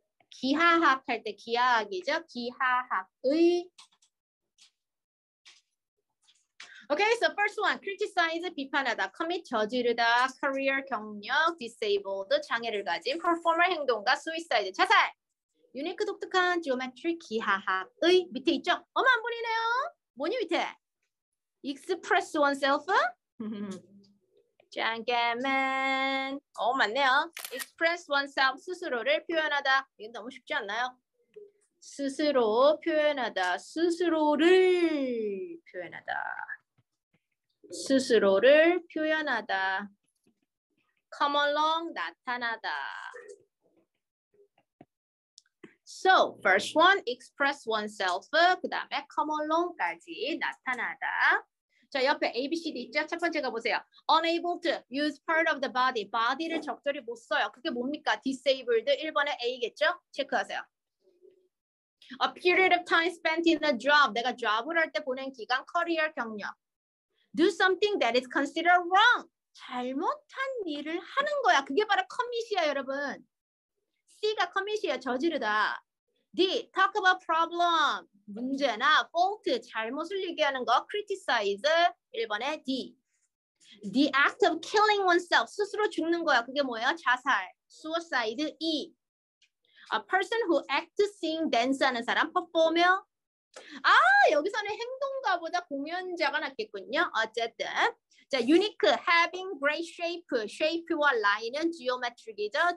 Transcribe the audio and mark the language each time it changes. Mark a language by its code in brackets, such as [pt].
[ko] 기하학 할 때 기하학이죠. 기하학의. [en] Okay, so first one, criticize, [ko] 비판하다, [en] commit, [ko] 저지르다, [en] career, [ko] 경력, [en] disabled, [ko] 장애를 가진, [en] performer, [ko] 행동가, [en] suicide, [ko] 자살, [en] unique, [ko] 독특한, [en] geometry, [ko] 기하학의, 밑에 있죠? 어머, 안 보이네요? 뭐니 밑에? [en] express oneself? [ko] 잠깐만, 어, 맞네요. [en] express oneself, [ko] 스스로를 표현하다. 이건 너무 쉽지 않나요? 스스로 표현하다, 스스로를 표현하다. 스스로를 표현하다. [en] Come along, [ko] 나타나다. [en] So, first one, express oneself. [ko] 그 다음에 [en] come along [ko] 까지 나타나다. 자, 옆에 A, B, C, D 있죠? 첫 번째 가보세요. [en] Unable to use part of the body. [ko] Body를 적절히 못 써요. 그게 뭡니까? [en] Disabled. [ko] 1번에 A겠죠? 체크하세요. [en] A period of time spent in a job. [ko] 내가 job을 할 때 보낸 기간, [en] career [ko] 경력. [en] Do something that is considered wrong. [ko] 잘못한 일을 하는 거야. 그게 바로 commit이야, 여러분. C가 commit이야, 저지르다. [en] D, talk about problem. [ko] 문제나 fault, 잘못을 얘기하는 거. [en] Criticize, [ko] 1번에 D. [en] The act of killing oneself, [ko] 스스로 죽는 거야. 그게 뭐예요? 자살. Suicide, E. [en] A person who acts, sing, dance [ko] 하는 사람, [en] perform요. [ko] 아, 여기서는 행동가보다 공연자가 낫겠군요. 어쨌든. [en] 자, unique, having great shape. [ko] shape와 line은 geometric이죠.